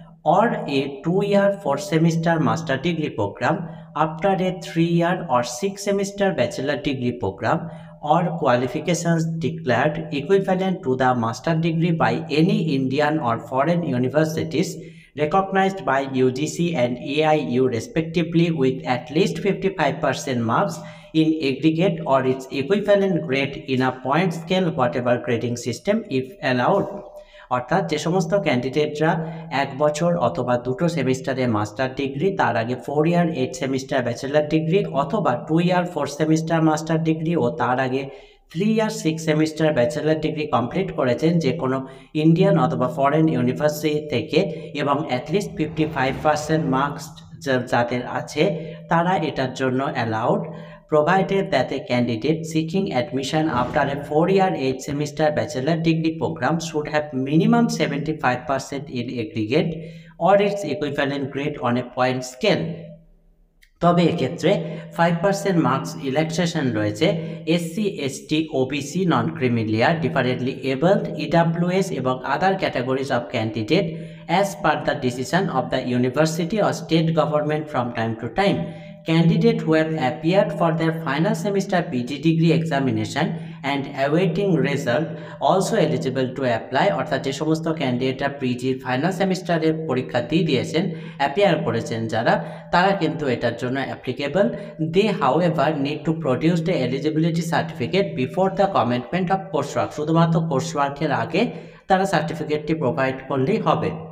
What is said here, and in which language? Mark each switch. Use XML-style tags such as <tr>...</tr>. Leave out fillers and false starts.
<en>or a 2 year 4 semester master degree program after a 3 year or 6 semester bachelor degree program or qualifications declared equivalent to the master degree by any Indian or foreign universities recognized by UGC and AIU respectively with at least 55% marks in aggregate or its equivalent grade in a point scale whatever grading system if allowed.</en> <bn>অর্থাৎ যে সমস্ত ক্যান্ডিডেটরা 1 বছর অথবা 2 সেমিস্টারে master degree, তার আগে 4 ইয়ার 8 semester bachelor degree অথবা 2 ইয়ার 4 semester master degree ও তার আগে 3 ইয়ার 6 সেমিস্টার ব্যাচেলার ডিগ্রি কমপ্লিট করেছেন যে কোনো ইন্ডিয়ান অথবা ফরেন ইউনিভার্সিটি থেকে এবং অ্যাটলিস্ট 55% মার্কস যাদের আছে তারা এটার জন্য allowed.</bn> <en>Provided that a candidate seeking admission after a 4-year 8-semester bachelor degree program should have minimum 75% in aggregate or its equivalent grade on a point scale.</en> <bn>তবে এক্ষেত্রে 5% marks election রয়েছে</bn> <en>SC ST OBC non creamy layer differently abled EWS এবং other categories of candidate as per the decision of the university or state government from time to time. Candidate who have appeared for their final semester PG degree examination and awaiting result also eligible to apply.</en> <bn>অর্থাৎ যে সমস্ত ক্যান্ডিডেটরা PG-র final সেমিস্টারের পরীক্ষা দিয়ে দিয়েছেন, appear করেছেন যারা, তারা কিন্তু এটার জন্য applicable.</bn> <en>They however need to produce the eligibility certificate before the commitment of course work.</en> <bn>শুধুমাত্র কোর্স ওয়ার্কের আগে তারা সার্টিফিকেটটি প্রোভাইড করলেই হবে.</bn>